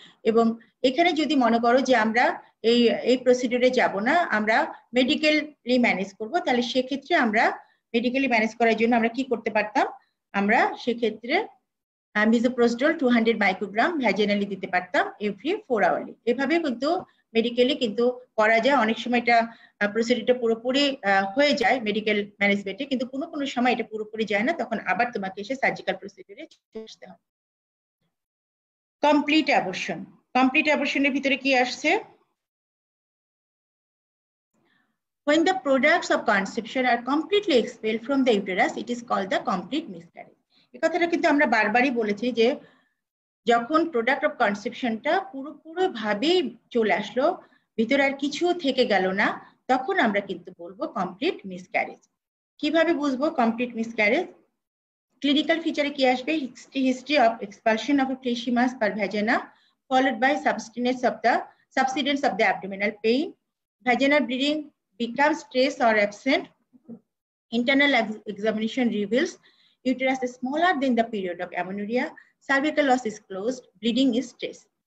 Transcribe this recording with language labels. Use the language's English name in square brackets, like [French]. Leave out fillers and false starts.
[Bangla] এবং এখানে যদি মনে করো যে আমরা এই এই প্রসিডিউরে যাব না, আমরা মেডিকেলি ম্যানেজ করব, তাহলে সেক্ষেত্রে আমরা মেডিকেলি ম্যানেজ করার জন্য আমরা কি করতে পারতাম, আমরা সেক্ষেত্রে মিসোপ্রোজিডল 200 মাইক্রোগ্রাম ভ্যাজিনালি দিতে পারতাম এভরি 4 আওয়ারলি। এভাবে কিন্তু মেডিকেলি কিন্তু করা যায়, অনেক সময় এটা প্রসিডিউরটা পুরোপুরি হয়ে যায় মেডিকেল ম্যানেজমেন্টে, কিন্তু কোনো কোনো সময় এটা পুরোপুরি যায় না, তখন আবার তোমাকে এসে সার্জিক্যাল প্রসিডিউরে আসতে হবে। কমপ্লিট অ্যাবর্শন, কমপ্লিট অ্যাবর্শনের ভিতরে কি আসছে, [English] when the products of conception are completely expelled from the uterus it is called the complete miscarriage। [Bangla] এই কথাটা কিন্তু আমরা বারবারই বলেছি যে যখন প্রোডাক্ট অফ কনসেপশনটা পুরোপুরি ভাবে চলে আসলো, ভিতরে আর কিছু থেকে গেল না, তখন আমরা কিন্তু বলবো কমপ্লিট মিসক্যারেজ। কিভাবে বুঝবো কমপ্লিট মিসক্যারেজ, ক্লিনিক্যাল ফিচারে কি আসবে, [English] History of expulsion of fleshy mass per vagina followed by subsidence of the abdominal pain, vaginal bleeding become trace or absent, internal examination reveals uterus is smaller than the period of amenorrhoea, cervical os is closed, bleeding is trace.